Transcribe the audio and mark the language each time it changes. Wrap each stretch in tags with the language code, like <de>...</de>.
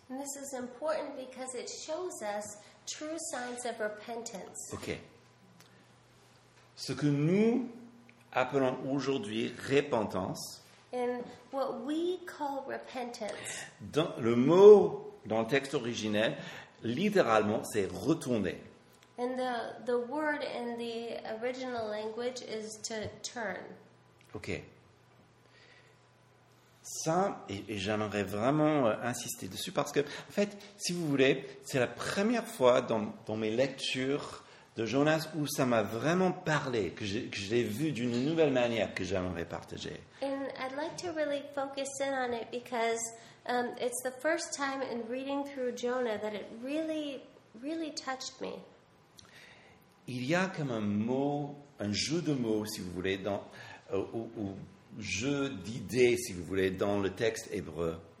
<en>And this is important because it shows us true signs of repentance. OK.</en> <fr>Ce que nous appelons aujourd'hui repentance.</fr> <en>And what we call repentance.</en> <fr>Dans le mot dans le texte originel, littéralement, c'est retourner.</fr> <en>And the word in the original language is to turn. OK.</en> <fr>Ça, et j'aimerais vraiment insister dessus parce que, en fait, si vous voulez, c'est la première fois dans mes lectures de Jonas où ça m'a vraiment parlé, que je l'ai vu d'une nouvelle manière que j'aimerais partager.</fr> <en>And I'd like to really focus in on it because it's the first time in reading through Jonah that it really, really touched me.</en> <fr>Il y a comme un mot, un jeu de mots, si vous voulez, dans, où jeu d'idées, si vous voulez, dans le texte hébreu,</fr>